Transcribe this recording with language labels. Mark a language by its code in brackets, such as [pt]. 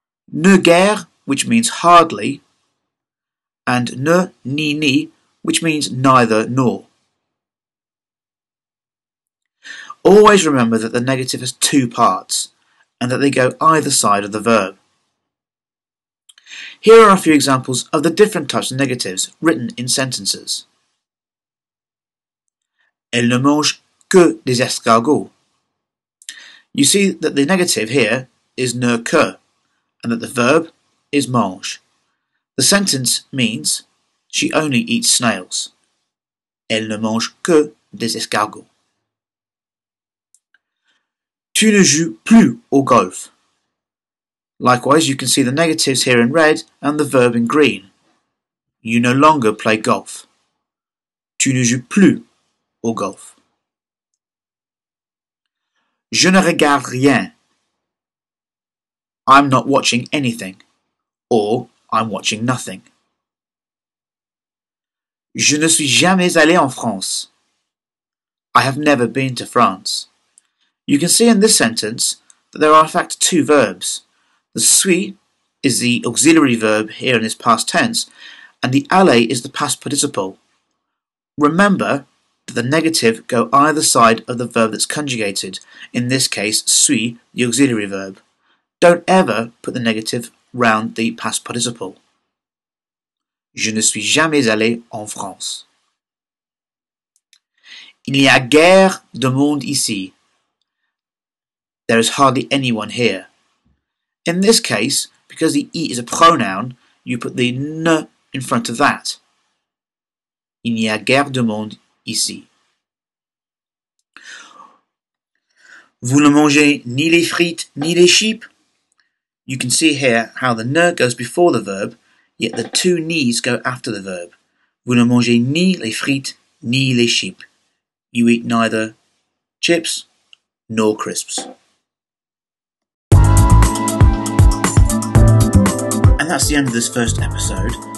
[en] Ne guère, which means hardly. And ne ni ni, which means neither nor. Always remember that the negative has two parts, and that they go either side of the verb. Here are a few examples of the different types of negatives written in sentences. [fr] Elle ne mange que des escargots. [en] You see that the negative here is ne que, and that the verb is mange. The sentence means she only eats snails. [fr] Elle ne mange que des escargots. Tu ne joues plus au golf. [en] Likewise, you can see the negatives here in red and the verb in green. You no longer play golf. [fr] Tu ne joues plus au golf. Je ne regarde rien. [en] I'm not watching anything. Or, I'm watching nothing. [fr] Je ne suis jamais allé en France. [en] I have never been to France. You can see in this sentence that there are in fact two verbs. The suis is the auxiliary verb here in this past tense, and the aller is the past participle. Remember that the negative go either side of the verb that's conjugated, in this case suis, the auxiliary verb. Don't ever put the negative round the past participle. [fr] Je ne suis jamais allé en France. Il n'y a guère de monde ici. [en] There is hardly anyone here. In this case, because the e is a pronoun, you put the ne in front of that. [fr] Il n'y a guère de monde ici. Vous ne mangez ni les frites ni les sheep? [en] You can see here how the ne goes before the verb, yet the two ni's go after the verb. [fr] Vous ne mangez ni les frites ni les sheep. [en] You eat neither chips nor crisps. And that's the end of this first episode.